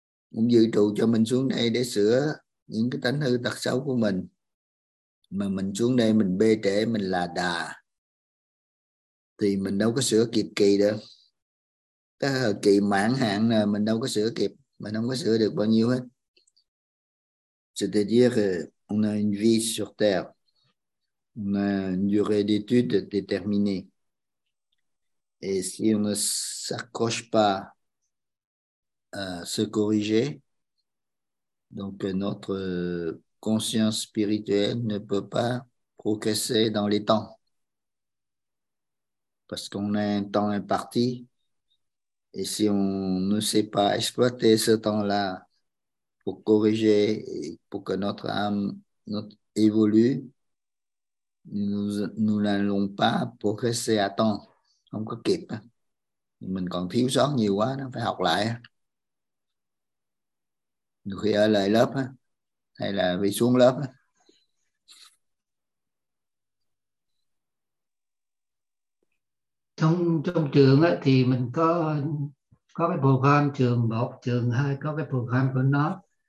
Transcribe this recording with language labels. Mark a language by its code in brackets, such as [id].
[vi] Cũng dự trù cho mình xuống đây để sửa những cái tánh hư tật xấu của mình, mà mình xuống đây mình bê trễ, mình là đà thì mình đâu có sửa kịp kỳ được. Cái thời kỳ mãn hạn là mình đâu có sửa kịp, mình không có sửa được bao nhiêu hết. [fr] C'est-à-dire qu'on a une vie sur terre, on a une durée d'études déterminée, et si on ne s'accroche pas à se corriger, donc notre conscience spirituelle ne peut pas progresser dans les temps, parce qu'on a un temps imparti. Et si on ne sait pas exploiter ce temps-là pour corriger et pour que notre âme notre, évolue, nous n'allons pas progresser à temps. [vi] Không có kịp. Mình còn thiếu sót nhiều quá, nó phải học lại. Nhiều khi ở lại lớp, hay là bị xuống lớp. Trong trường ấy, thì mình có cái program trường 1, trường 2 có cái program của nó.